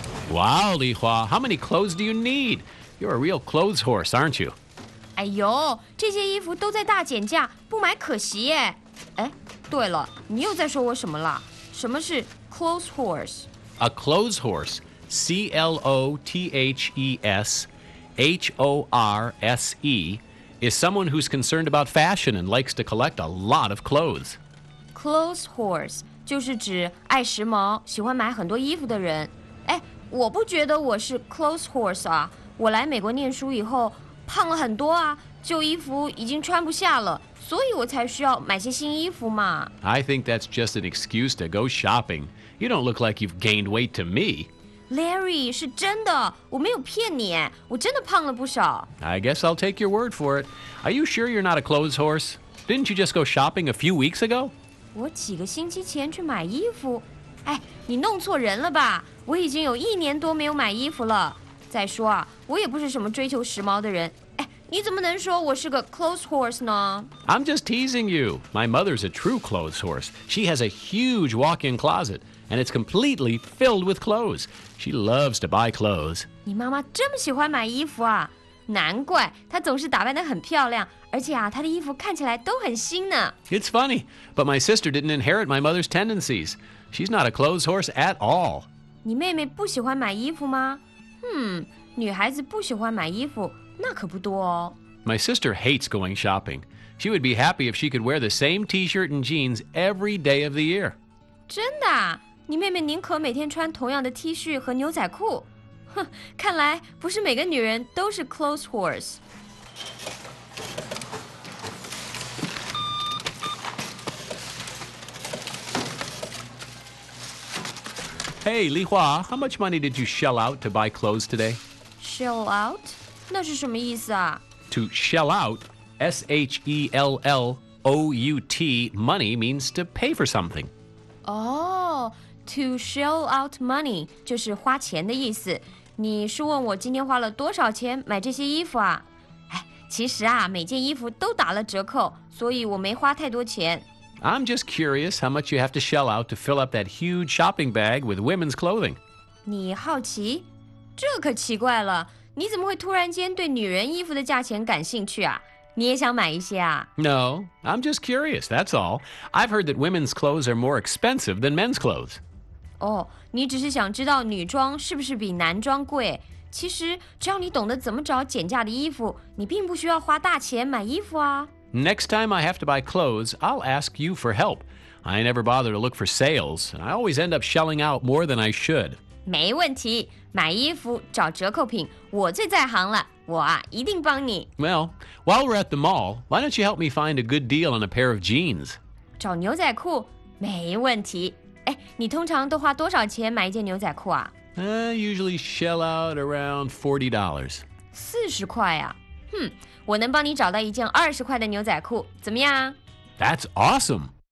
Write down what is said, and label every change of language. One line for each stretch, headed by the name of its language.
English: Wow, 李华， how many clothes do you need? You're a real clothes horse, aren't you?
Chinese: 哎呦，这些衣服都在大减价，不买可惜耶。哎，对了，你又在说我什么了？什么是 clothes horse?
English: A clothes horse, C-L-O-T-H-E-S-H-O-R-S-E, is someone who's concerned about fashion and likes to collect a lot of clothes.
Chinese: Clothes horse 就是指爱时髦，喜欢买很多衣服的人。哎，我不觉得我是 clothes horse 啊。我来美国念书以后胖了很多啊，旧衣服已经穿不下了，所以我才需要买些新衣服嘛。
English: I think that's just an excuse to go shopping. You don't look like you've gained weight to me.
Chinese: Larry, 是真的，我没有骗你，我真的胖了不少。
English: I guess I'll take your word for it. Are you sure you're not a clothes horse? Didn't you just go shopping a few weeks ago?
Chinese: 我几个星期前去买衣服。哎，你弄错人了吧？我已经有一年多没有买衣服了。再说啊，我也不是什么追求时髦的人。哎，你怎么能说我是个 clothes horse 呢？
English: I'm just teasing you. My mother's a true clothes horse. She has a huge walk-in closet, and it's completely filled with clothes. She loves to buy clothes.
Chinese: 你妈妈这么喜欢买衣服啊？难怪她总是打扮得很漂亮，而且啊，她的衣服看起来都很新呢。
English: It's funny, but my sister didn't inherit my mother's tendencies. She's not a clothes horse at all.
Chinese: 你妹妹不喜欢买衣服吗？女孩子不喜欢买衣服，那可不多哦。
English: My sister hates going shopping. She would be happy if she could wear the same T-shirt and jeans every day of the year.
Chinese: 真的啊？你妹妹宁可每天穿同样的 T 恤和牛仔裤？哼，看来不是每个女人都是 clothes whores。
English: Hey, Li Hua, how much money did you shell out to buy clothes today?
Chinese: Shell out? 那是什么意思啊?
English: To shell out, S-H-E-L-L-O-U-T, money means to pay for something.
Chinese: To shell out money 就是花钱的意思。你是问我今天花了多少钱买这些衣服啊？哎，其实啊，每件衣服都打了折扣，所以我没花太多钱。
English: I'm just curious how much you have to shell out to fill up that huge shopping bag with women's clothing.
Chinese: 你好奇？这可奇怪了，你怎么会突然间对女人衣服的价钱感兴趣啊？你也想买一些啊？
English: No, I'm just curious, that's all. I've heard that women's clothes are more expensive than men's clothes.
Chinese: 你只是想知道女装是不是比男装贵。其实只要你懂得怎么找减价的衣服，你并不需要花大钱买衣服啊。
English: Next time I have to buy clothes, I'll ask you for help. I never bother to look for sales, and I always end up shelling out more than I should.
Chinese: 没问题，买衣服找折扣品，我最在行了。我啊，一定帮你。
English: Well, while we're at the mall, why don't you help me find a good deal on a pair of jeans?
Chinese: 找牛仔裤？没问题。哎，你通常都花多少钱买一件牛仔裤啊？
English: Usually shell out around $40.
Chinese: 40块啊？我能帮你找到一件20块的牛仔裤，怎么样？
English: That's awesome!